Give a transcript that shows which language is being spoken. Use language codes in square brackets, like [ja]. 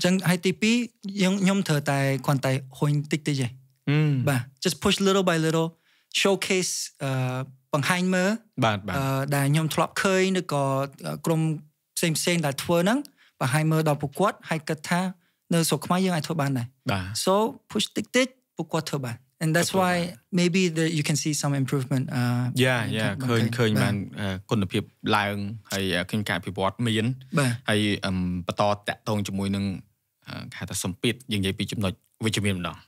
[km] ញ្ចឹងហើយទី2ខ្ញុំធ្វើតែគាត់តែហុញតិចទេបាទ [en] just push little by little [km] showcase បង្ហាញមើល បាទបា ទដែលខ្ញុំធ្លាប់ឃើញឬក៏ក្រុមផ្សេងផ្សេងដែលធ្វើហ្នឹងបង្ហាញមើលដល់ពួកគាត់ហើយគិតថានៅស្រុកខ្មែរយើងអាចធ្វើបានដែរ បាទ [en] so push [km] តិចតិចពួកគាត់ធ្វើបាន [en] and that's why maybe that you can see some improvement [km] yeah yeah ឃើញឃើញបានគុណភាពឡើងហើយឃើញការអភិវឌ្ឍមានហើយបន្តតាក់ទងជាមួយនឹងគេថាសំពីតយើងនិយាយពីចំណុចវិជ្ជមានម្ដង